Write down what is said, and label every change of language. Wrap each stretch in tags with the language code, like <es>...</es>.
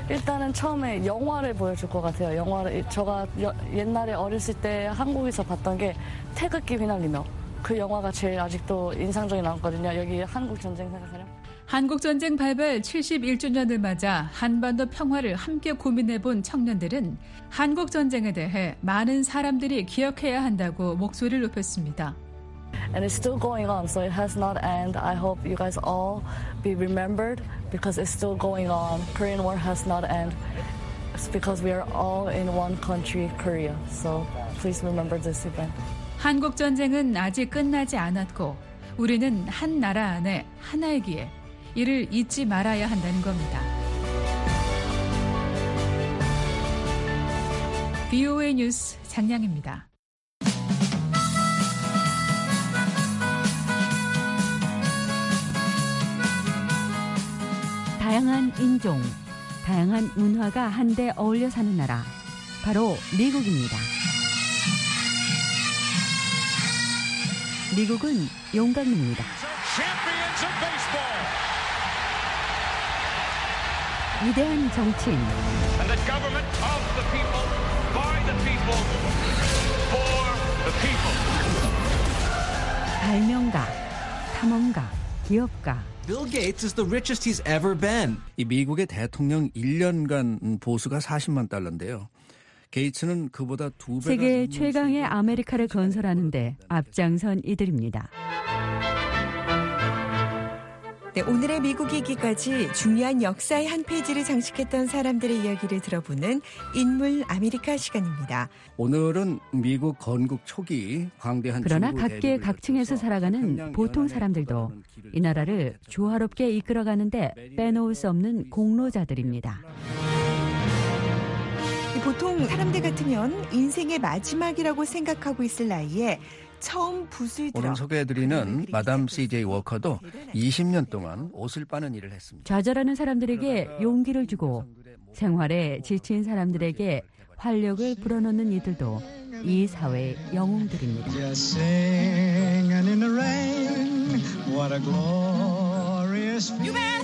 <ko>일단은 처음에 영화를 보여줄 것 같아요. 영화를 제가 옛날에 어렸을 때 한국에서 봤던 게 태극기 휘날리며 그 영화가 제일 아직도 인상적이 나왔거든요. 여기 한국전쟁 생각하면 한국전쟁 발발 71주년을 맞아 한반도 평화를 함께 고민해본 청년들은 한국전쟁에 대해 많은 사람들이 기억해야 한다고 목소리를 높였습니다.</ko> <en>And it's still going on, so it has not end. I hope you guys all be remembered because it's still going on. Korean War has not end. It's because we are all in one country, Korea. So please remember this event.</en> <ko>한국전쟁은 아직 끝나지 않았고 우리는 한 나라 안에 하나이기에 이를 잊지 말아야 한다는 겁니다. VOA 뉴스 장량입니다. 다양한 인종, 다양한 문화가 한데 어울려 사는 나라, 바로 미국입니다. 미국은 용감입니다. 위대한 정치인.</ko> <en>And the government of the people, by the people, for the people.</en> <ko>발명가, 탐험가, 기업가.</ko> <en>Bill Gates is the richest he's ever been.</en> <ko>이 미국의 대통령 1년간 보수가 40만 달러인데요. 게이츠는 그보다 두 배가 세계 최강의 아메리카를 건설하는데 앞장선 이들입니다. 네, 오늘의 미국이기까지 중요한 역사의 한 페이지를 장식했던 사람들의 이야기를 들어보는 인물 아메리카 시간입니다. 오늘은 미국 건국 초기 광대한 그러나 각계 각층에서 살아가는 보통 사람들도 이 나라를 조화롭게 이끌어가는데 빼놓을 수 없는 공로자들입니다. 보통 사람들 같으면 인생의 마지막이라고 생각하고 있을 나이에 처음 붓을 들어 오늘 소개해드리는 마담 CJ 워커도 20년 동안 옷을 빠는 일을 했습니다. 좌절하는 사람들에게 용기를 주고 생활에 지친 사람들에게 활력을 불어넣는 이들도 이 사회의 영웅들입니다.</ko> <en>Singing in the rain, what a glorious feeling.</en>